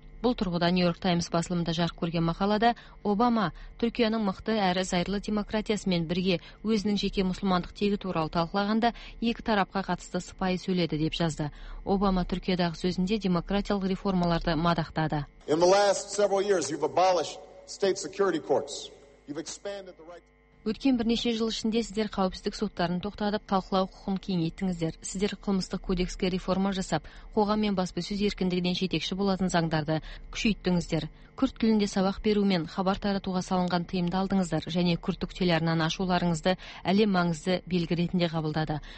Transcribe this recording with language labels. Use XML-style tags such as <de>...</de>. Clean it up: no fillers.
<kk>Бұл тұрғыда Нью-Йорк Таймс басылымында жарық көрген мақалада Обама Түркияның мықты әрі зайырлы демократиясымен бірге өзінің жеке мұсылмандық тегі туралы талқылағанда екі тарапқа қатысты сыпайы сөйледі деп жазды. Обама Түркиядағы сөзінде демократиялық реформаларды мадақтады.</kk> <en>In the last several years you've abolished state security courts. You've expanded the right to...</en> <kk>Өткен бірнеше жыл ішінде сіздер қауіпсіздік соттарын тоқтатып, талқылау құқығын кеңейттіңіздер. Сіздер қылмыстық кодекске реформа жасап, қоғам мен баспасөз еркіндігінен жетекші болатын заңдарды күшейттіңіздер. Күрт тілінде сабақ беру мен хабар таратуға салынған тыйымды алдыңыздар және күрттік телеарнаны ашуларыңызды әлем маңызды белгі ретінде қабылдады.</kk>